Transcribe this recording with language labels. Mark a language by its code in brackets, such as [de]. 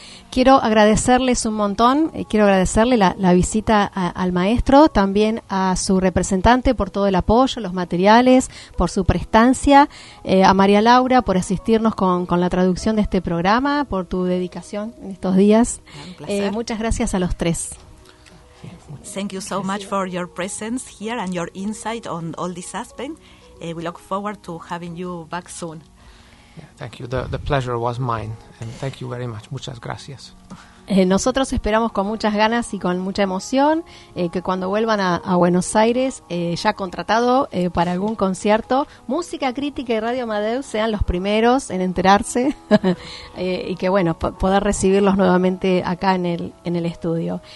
[es] Quiero agradecerles un montón, quiero agradecerle la visita al maestro, también a su representante por todo el apoyo, los materiales, por su prestancia, a María Laura por asistirnos con la traducción de este programa, por tu dedicación en estos días. Muchas gracias a los tres. [en] Thank you so much for your presence here and your insight on all this aspect. We look forward to having you back soon. Yeah, thank you. The pleasure was mine. And thank you very much. [es] Muchas gracias. Nosotros esperamos con muchas ganas y con mucha emoción que cuando vuelvan a Buenos Aires, ya contratado para algún concierto, Música Crítica y Radio Amadeus sean los primeros en enterarse y que, bueno, poder recibirlos nuevamente acá en el estudio.